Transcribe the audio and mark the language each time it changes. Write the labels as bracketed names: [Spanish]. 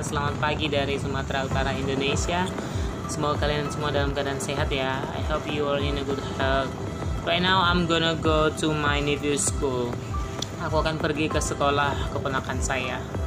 [Indonesian] Selamat pagi dari Sumatera Utara Indonesia. Semoga kalian semua dalam keadaan sehat ya. [English] I hope you all in a good health. Right now I'm gonna go to my nephew school. [Indonesian] Aku akan pergi ke sekolah keponakan saya.